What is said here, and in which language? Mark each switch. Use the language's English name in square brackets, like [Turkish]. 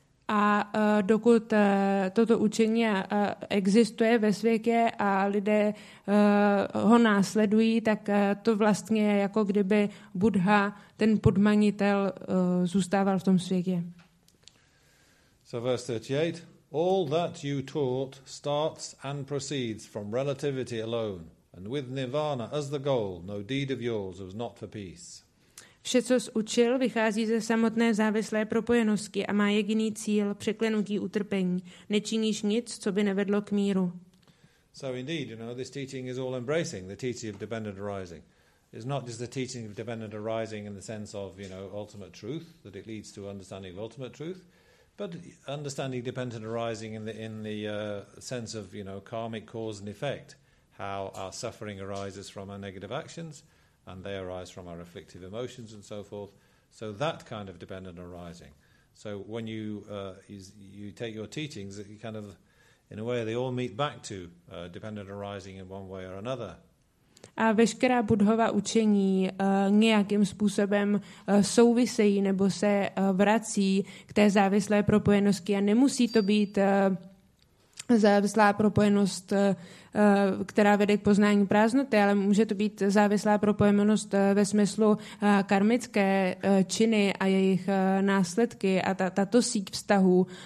[Czech] A dokud toto učení existuje ve světě a lidé ho následují, tak to vlastně je jako kdyby Buddha, ten podmanitel, zůstával v tom světě. [English] So verse 38. All that you taught starts and proceeds from relativity alone. And with nirvana as the goal, no deed of yours was not for peace. [Czech] Vše, co jsi učil, vychází ze samotné závislé propojenosti a má jediný cíl, překlenutí utrpení. Nečiníš nic, co by nevedlo k míru. [English] So indeed, you know, this teaching is all embracing, the teaching of dependent arising. It's not just the teaching of dependent arising in the sense of, you know, ultimate truth, that it leads to understanding of ultimate truth, but understanding dependent arising in the sense of, you know, karmic cause and effect. How our suffering arises from our negative actions and they arise from our afflictive emotions and so forth. So that kind of dependent arising. So when you you take your teachings, you kind of, in a way, they all meet back to dependent arising in one way or another. [Czech] A veškerá Buddhova učení nějakým způsobem souvisejí nebo se vrací k té závislé propojenosti a nemusí to být závislá propojenost, která vede k poznání prázdnoty, ale může to být závislá propojenost ve smyslu karmické činy a jejich následky a tato síť vztahů.